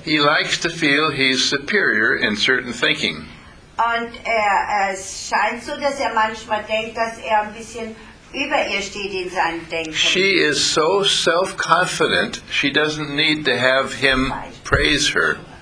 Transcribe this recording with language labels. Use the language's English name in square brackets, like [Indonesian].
[English] He likes to feel he's superior in certain thinking. [German] Und es scheint so, dass er manchmal denkt, dass er ein bisschen über ihr steht in seinem Denken. [English] She is so self-confident, she doesn't need to have him praise her.